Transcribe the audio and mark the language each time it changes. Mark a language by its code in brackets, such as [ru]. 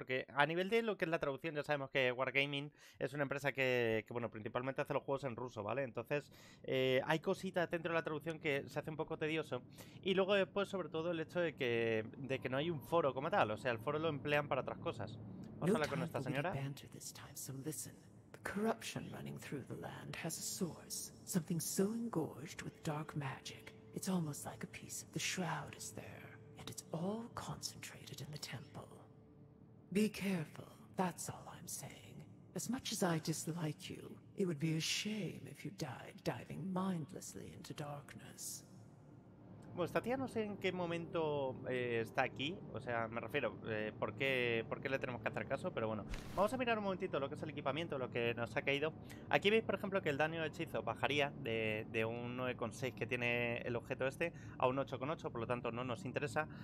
[es] Porque a nivel de lo que es la traducción, ya sabemos que Wargaming es una empresa que bueno, principalmente hace los juegos en ruso, ¿vale? Entonces, hay cositas dentro de la traducción que se hace un poco tedioso, y luego después, sobre todo, el hecho de que no hay un foro como tal, o sea, el foro lo emplean para otras cosas. Vamos a hablar con esta señora. [en] So listen, the corruption running through the land has a source, something so engorged with dark magic, it's almost like a piece of the shroud is there, and it's all concentrated in the temple. Be careful, that's all I'm saying. As much as I dislike you, it would be a shame if you died diving mindlessly into darkness. [es] Bueno, esta tía no sé en qué momento está aquí, o sea, me refiero, ¿por qué le tenemos que hacer caso? Pero bueno, vamos a mirar un momentito lo que es el equipamiento, lo que nos ha caído. Aquí veis, por ejemplo, que el daño de hechizo bajaría de un 9,6 que tiene el objeto este a un 8,8, por lo tanto no nos interesa.